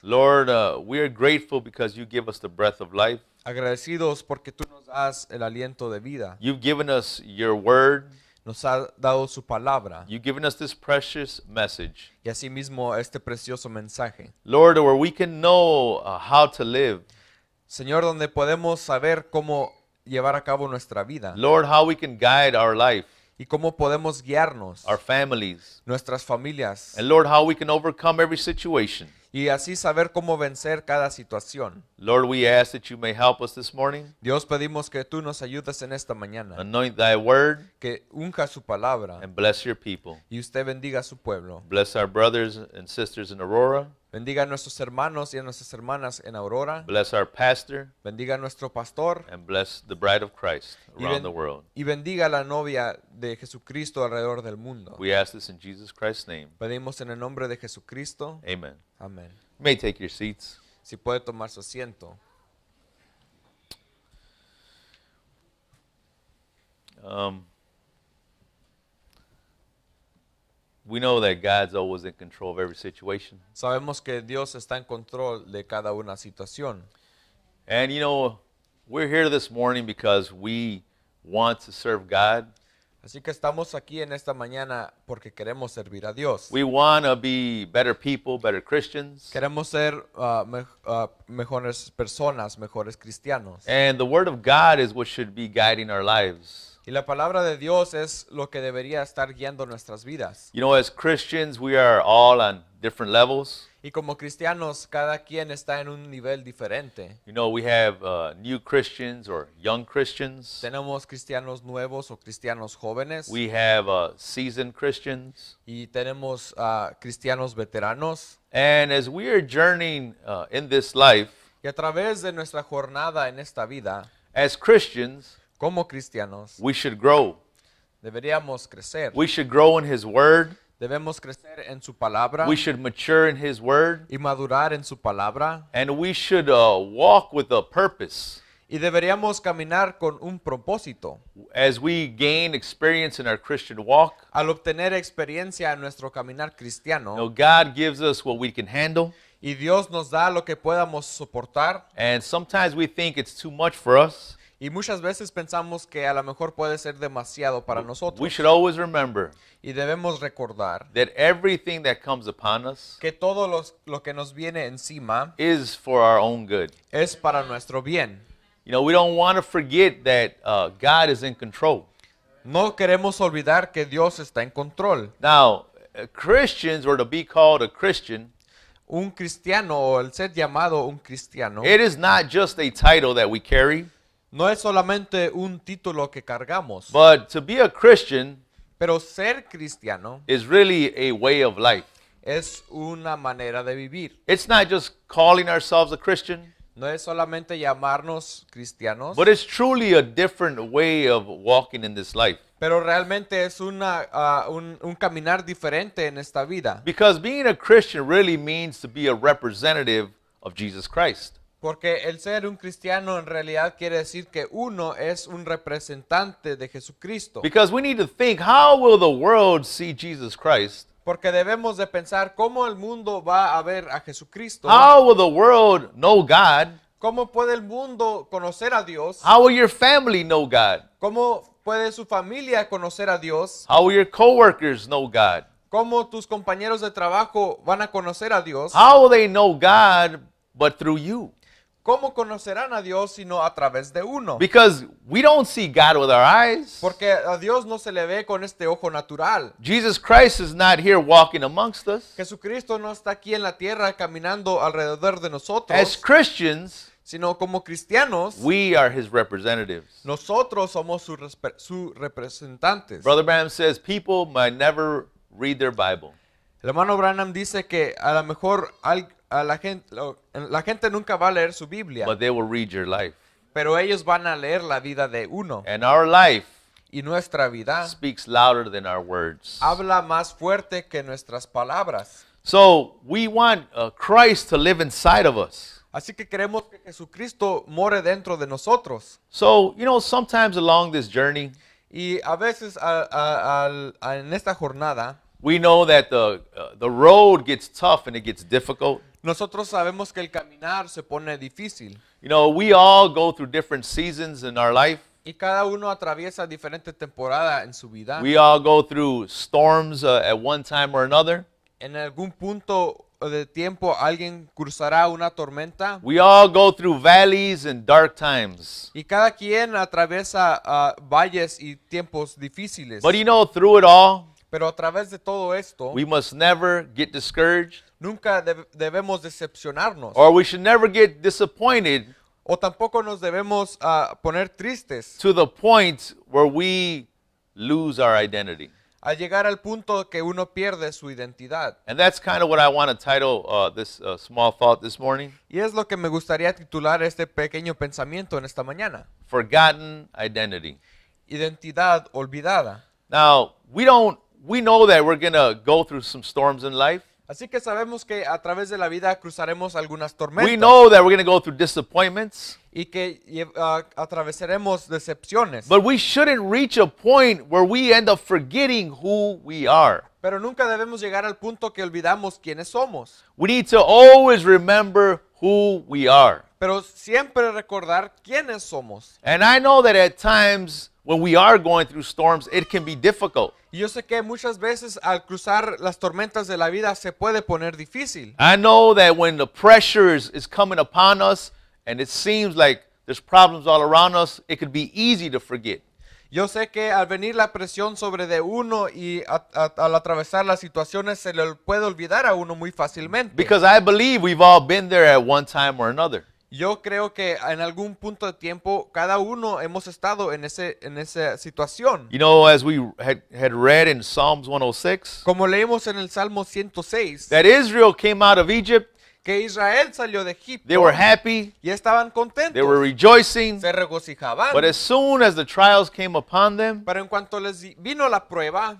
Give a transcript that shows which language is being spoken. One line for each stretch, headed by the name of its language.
English: Lord, we are grateful because you give us the breath of life.
Spanish: Agradecidos porque tú nos das el aliento de vida.
English: You've given us your word.
Spanish: Nos ha dado su palabra.
English: You've given us this precious message.
Spanish: Y así mismo este precioso mensaje.
English: Lord, where we can know how to live.
Spanish: Señor, donde podemos saber cómo llevar a cabo nuestra vida.
English: Lord, how we can guide our life.
Spanish: Y cómo podemos guiarnos.
English: Our families.
Spanish: Nuestras familias.
English: And Lord, how we can overcome every situation.
Spanish: Y así saber cómo vencer cada situación.
English: Lord, we ask that you may help us this morning.
Spanish: Dios, pedimos que tú nos ayudes en esta mañana.
English: Anoint thy word.
Spanish: Que unja su palabra.
English: And bless your people.
Spanish: Y usted bendiga a su pueblo.
English: Bless our brothers and sisters in Aurora.
Spanish: Bendiga a nuestros hermanos y a nuestras hermanas en Aurora.
English: Bless our pastor.
Spanish: Bendiga a nuestro pastor.
English: And bless the bride of Christ around the world.
Spanish: Y bendiga a la novia de Jesucristo alrededor del mundo.
English: We ask this in Jesus Christ's name.
Spanish: Pedimos en el nombre de Jesucristo.
English: Amen.
Spanish: Amen.
English: You may take your seats.
Spanish: Si puede tomar su asiento.
English: We know that God's always in control of every situation.
Spanish: Sabemos que Dios está en control de cada una situación.
English: And you know, we're here this morning because we want to serve God.
Spanish: Así que estamos aquí en esta mañana porque queremos servir a Dios.
English: We want to be better people, better Christians.
Spanish: Queremos ser mejores personas, mejores cristianos.
English: And the word of God is what should be guiding our lives.
Spanish: Y la palabra de Dios es lo que debería estar guiando nuestras vidas.
English: You know, as Christians, we are all on different levels.
Spanish: Y como cristianos, cada quien está en un nivel diferente.
English: You know, we have new Christians or young Christians.
Spanish: Tenemos cristianos nuevos o cristianos jóvenes.
English: We have seasoned Christians.
Spanish: Y tenemos cristianos veteranos.
English: And as we are journeying in this life,
Spanish: y a través de nuestra jornada en esta vida,
English: as Christians,
Spanish: como cristianos,
English: we should grow.
Spanish: Deberíamos crecer.
English: We should grow in His Word.
Spanish: Debemos crecer en su palabra.
English: We should mature in His Word.
Spanish: Y madurar en su palabra.
English: And we should walk with a purpose.
Spanish: Y deberíamos caminar con un propósito.
English: As we gain experience in our Christian walk,
Spanish: al obtener experiencia en nuestro caminar cristiano,
English: you know, God gives us what we can handle.
Spanish: Y Dios nos da lo que podamos soportar.
English: And sometimes we think it's too much for us.
Spanish: Y muchas veces pensamos que a lo mejor puede ser demasiado para nosotros.
English: We should always remember,
Spanish: y debemos recordar,
English: that everything that comes upon us,
Spanish: que todo lo que nos viene encima,
English: is for our own good.
Spanish: Es para nuestro bien.
English: You know, we don't want to forget that God is in control.
Spanish: No queremos olvidar que Dios está en control.
English: Now, Christians, or to be called a Christian,
Spanish: un cristiano, o el ser llamado un cristiano,
English: it is not just a title that we carry.
Spanish: No es solamente un título que cargamos.
English: But to be a Christian,
Spanish: pero ser cristiano,
English: is really a way of life.
Spanish: Es una manera de vivir.
English: It's not just calling ourselves a Christian.
Spanish: No es solamente llamarnos cristianos.
English: But it's truly a different way of walking in this life.
Spanish: Pero realmente es una un caminar diferente en esta vida.
English: Because being a Christian really means to be a representative of Jesus Christ.
Spanish: Porque el ser un cristiano en realidad quiere decir que uno es un representante de Jesucristo.
English: Because we need to think, how will the world see Jesus Christ?
Spanish: Porque debemos de pensar, ¿cómo el mundo va a ver a Jesucristo?
English: How will the world know God?
Spanish: ¿Cómo puede el mundo conocer a Dios?
English: How will your family know God?
Spanish: ¿Cómo puede su familia conocer a Dios?
English: How will your coworkers know God?
Spanish: ¿Cómo tus compañeros de trabajo van a conocer a Dios?
English: How will they know God but through you?
Spanish: ¿Cómo conocerán a Dios sino a través de uno?
English: Because we don't see God with our eyes.
Spanish: Porque a Dios no se le ve con este ojo natural.
English: Jesus Christ is not here walking amongst us.
Spanish: Jesucristo no está aquí en la tierra caminando alrededor de nosotros.
English: As Christians,
Spanish: sino como cristianos,
English: we are His representatives.
Spanish: Nosotros somos su representantes.
English: Brother Branham says people might never read their Bible.
Spanish: El hermano Branham dice que a lo mejor la gente nunca va a leer su Biblia.
English: But they will read your life.
Spanish: Pero ellos van a leer la vida de uno.
English: And our life,
Spanish: y nuestra vida,
English: speaks louder than our words.
Spanish: Habla más fuerte que nuestras palabras.
English: So we want Christ to live inside of us.
Spanish: Así que queremos que Jesucristo more dentro de nosotros.
English: So, you know, sometimes along this journey,
Spanish: y a veces en esta jornada,
English: we know that the road gets tough and it gets difficult.
Spanish: Nosotros sabemos que el caminar se pone difícil.
English: You know, we all go through different seasons in our life.
Spanish: Y cada uno atraviesa diferente temporada en su vida.
English: We all go through storms at one time or another.
Spanish: En algún punto de tiempo alguien cruzará una tormenta.
English: We all go through valleys and dark times.
Spanish: Y cada quien atraviesa valles y tiempos difíciles.
English: But you know, through it all,
Spanish: pero a través de todo esto,
English: we must never get discouraged.
Spanish: Nunca debemos decepcionarnos.
English: Or we should never get disappointed.
Spanish: O tampoco nos debemos poner tristes.
English: To the point where we lose our identity.
Spanish: A llegar al punto que uno pierde su identidad.
English: And that's kind of what I want to title this small thought this morning.
Spanish: Y es lo que me gustaría titular este pequeño pensamiento en esta mañana.
English: Forgotten identity.
Spanish: Identidad olvidada.
English: Now, we know that we're going to go through some storms in life.
Spanish: Así que sabemos que a través de la vida cruzaremos algunas tormentas.
English: We know that we're going to go through disappointments.
Spanish: Y que atravesaremos decepciones.
English: But we shouldn't reach a point where we end up forgetting who we are.
Spanish: Pero nunca debemos llegar al punto que olvidamos quiénes somos.
English: We need to always remember who we are.
Spanish: Pero siempre recordar quiénes somos.
English: And I know that at times, when we are going through storms, it can be difficult.
Spanish: Yo sé que muchas veces al cruzar las tormentas de la vida se puede poner difícil.
English: I know that when the pressure is coming upon us and it seems like there's problems all around us, it could be easy to forget.
Spanish: Yo sé que al venir la presión sobre de uno y al atravesar las situaciones se le puede olvidar a uno muy fácilmente.
English: Because I believe we've all been there at one time or another.
Spanish: Yo creo que en algún punto de tiempo cada uno hemos estado en esa situación.
English: You know, as we had read in Psalms 106.
Spanish: Como leímos en el Salmo 106.
English: That Israel came out of Egypt.
Spanish: Que Israel salió de Egipto.
English: They were happy.
Spanish: Y estaban contentos.
English: They were rejoicing.
Spanish: Se regocijaban.
English: But as soon as the trials came upon them.
Spanish: Pero en cuanto les vino la prueba.